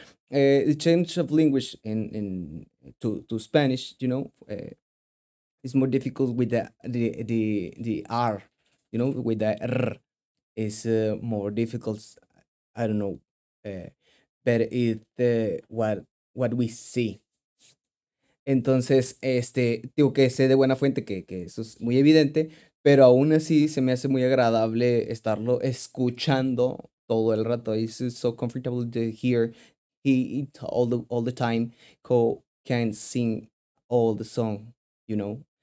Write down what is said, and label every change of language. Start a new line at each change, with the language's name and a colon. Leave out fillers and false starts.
English: The change of language to Spanish, you know, is more difficult with the R, you know, with the R is more difficult. I don't know, but it what we see.
Spanish: Entonces, digo que sé de buena fuente que eso es muy evidente, pero aún así se me hace muy agradable estarlo escuchando todo el rato.
English: It's so comfortable to hear. He all the time can sing all the song, you know.